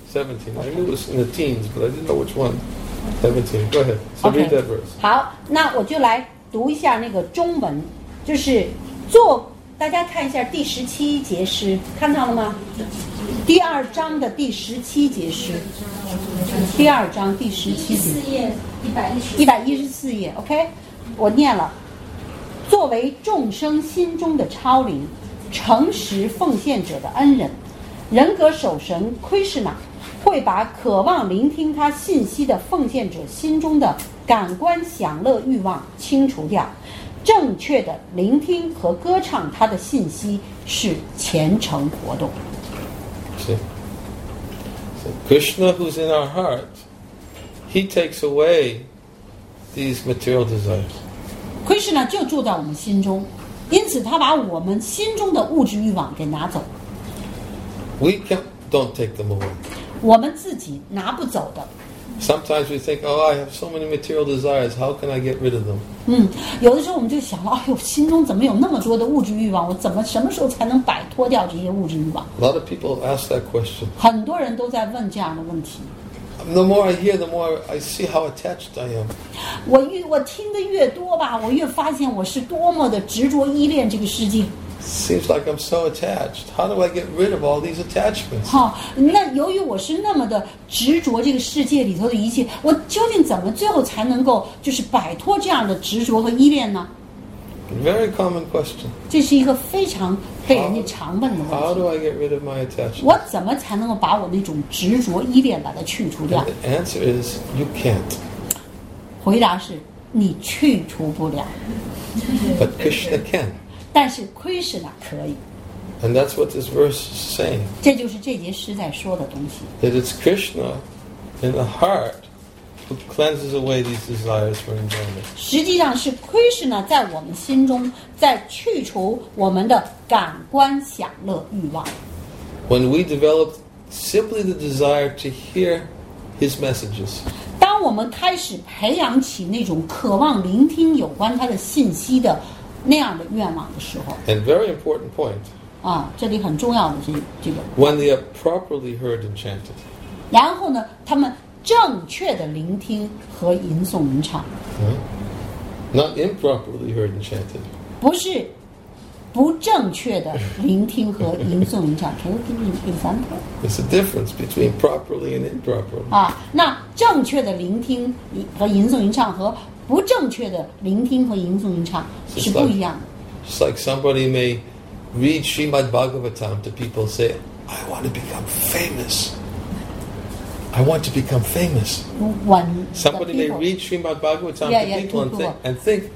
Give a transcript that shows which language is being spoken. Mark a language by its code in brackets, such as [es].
[en] 17. I knew it was in the teens, but I didn't know which one. 17, go ahead. So read that verse. [zh] 好，那我就来读一下那个中文，就是做，大家看一下第十七节诗，看到了吗？第二章的第十七节诗，第二章第十七节， 114页，OK， 我念了。作为众生心中的超灵，诚实奉献者的恩人，人格守神 Krishna 会把渴望聆听他信息的奉献者心中的感官享乐欲望清除掉，正确的聆听和歌唱他的信息是虔诚活动。 [en] So, Krishna who's in our heart, he takes away these material desires. [zh] Krishna 就住在我们心中，因此他把我们心中的物质欲望给拿走。 [en] We can't, don't take them away. [zh] 我们自己拿不走的。 [en] Sometimes we think, oh, I have so many material desires. How can I get rid of them? [zh] 有的时候我们就想了，哎呦，心中怎么有那么多的物质欲望？我怎么什么时候才能摆脱掉这些物质欲望 [en] ？A lot of people ask that question. [zh] 很多人都在问这样的问题。 [en] The more I hear, the more I see how attached I am. [zh] 我听得越多吧，我越发现我是多么的执着依恋这个世界。 [en] Seems like I'm so attached. How do I get rid of all these attachments? [zh] 好，那由于我是那么的执着这个世界里头的一切，我究竟怎么最后才能够就是摆脱这样的执着和依恋呢？ [en] Very common question. [zh] 这是一个非常被人家常问的问题。 [en] How do I get rid of my attachments? [zh] 我怎么才能够把我那种执着依恋把它去除掉？ [en] The answer is you can't. [zh] 回答是你去除不了。 [en] But Krishna can. [zh] 但是 Krishna 可以。 [en] And that's what this verse is saying. [zh] 这就是这节诗在说的东西。 [en] That it's Krishna in the heart who cleanses away these desires for enjoyment. [zh] 实际上是 Krishna 在我们心中在去除我们的感官享乐欲望。 [en] When we develop simply the desire to hear his messages. [zh] 当我们开始培养起那种渴望聆听有关他的信息的那样的愿望的时候 [en] ，and very important point， [zh] 啊，这里很重要的这个 [en] ，when they are properly heard and chanted， [zh] 然后呢，他们正确的聆听和吟诵吟唱 [en] ，not improperly heard and chanted， [zh] 不是不正确的聆听和吟诵吟唱。 [en] Can you give me an example？ There's a difference between properly and improperly。 [zh] 啊，那正确的聆听和吟诵吟唱和不正确的聆听和吟诵吟唱是不一样的。 [en] It's like somebody may read Srimad Bhagavatam to people, say, "I want to become famous. I want to become famous." Somebody may read Srimad Bhagavatam to people and think,